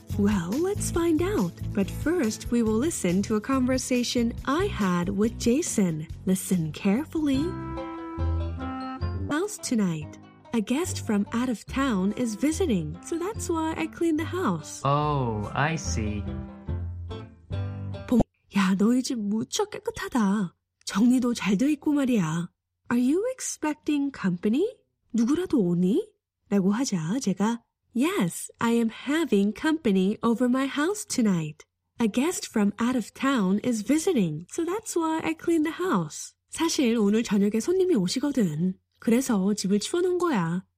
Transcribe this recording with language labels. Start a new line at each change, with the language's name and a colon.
English: Well, let's find out. But first, we will listen to a conversation I had with Jason. Listen carefully. House tonight. A guest from out of town is visiting, so that's why I cleaned the house. Oh, I see.
Korean: 야, 너희 집 무척 깨끗하다. 정리도 잘 돼 있고 말이야.
English: Are you expecting company?
Korean: 누구라도 오니? 라고 하자 제가
English: Yes, I am having company over my house tonight. A guest from out of town is visiting, so that's why I clean the house.
Korean: 사실 오늘 저녁에 손님이 오시거든. 그래서 집을 치워놓은 거야.